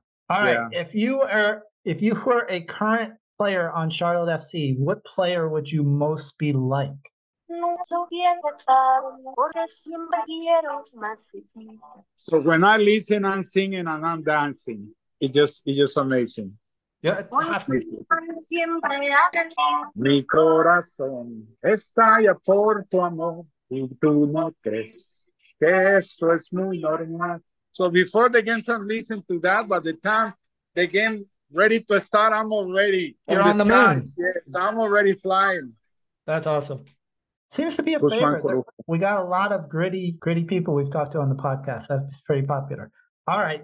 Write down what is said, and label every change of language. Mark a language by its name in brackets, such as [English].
[English] All right. Yeah. If you were a current player on Charlotte FC, what player would you most be like? So when I listen, I'm singing and I'm dancing. It's just amazing. Yeah. [Spanish] Mi corazón estalla por tu amor y tú no crees que esto es muy normal. [English] So before the game, I'm listening to that. By the time the game ready to start, I'm already on the moon. Yes, I'm already flying. That's awesome. Seems to be a Guzman favorite. We got a lot of gritty people we've talked to on the podcast. That's pretty popular. All right.